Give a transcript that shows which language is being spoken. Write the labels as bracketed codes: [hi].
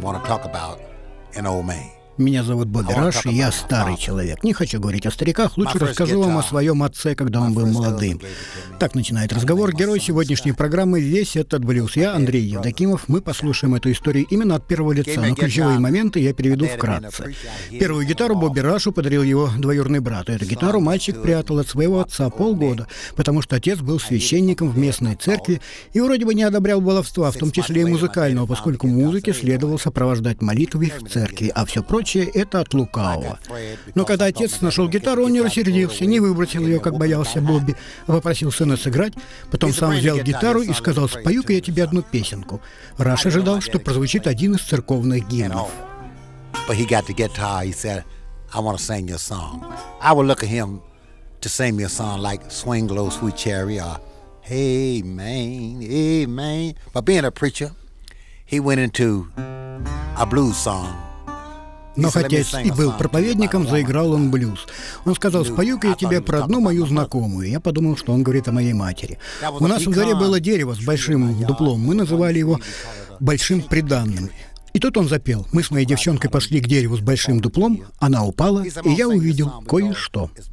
[en] Want to talk about an old man. [ru] Меня зовут Бобби Раш, и я старый человек. Не хочу говорить о стариках, лучше расскажу вам о своем отце, когда он был молодым. Так начинает разговор герой сегодняшней программы «Весь этот блюз». Я Андрей Евдокимов. Мы послушаем эту историю именно от первого лица, но ключевые моменты я переведу вкратце. Первую гитару Бобби Рашу подарил его двоюродный брат. Эту гитару мальчик прятал от своего отца полгода, потому что отец был священником в местной церкви и вроде бы не одобрял баловства, в том числе и музыкального, поскольку музыке следовало сопровождать молитвы в церкви, а все прочее. Это от лукавого. Но когда отец нашел гитару, он не рассердился, не выбросил ее, как боялся Бобби, а попросил сына сыграть. Потом сам взял гитару и сказал: «Спою-ка я тебе одну песенку». Раш ожидал, что прозвучит один из церковных гимнов. [en] But he got the guitar, he said, I want to sing your song. I would look at him to sing me a song like Swing Low Sweet Chariot or Hey Man, Hey Man. But being a preacher, he went into a blues song. [ru] Но хотя и был проповедником, заиграл он блюз. Он сказал: «Спою-ка я тебе про одну мою знакомую». Я подумал, что он говорит о моей матери. У нас в дворе было дерево с большим дуплом. Мы называли его «большим приданным». И тут он запел. Мы с моей девчонкой пошли к дереву с большим дуплом. Она упала, и я увидел кое-что.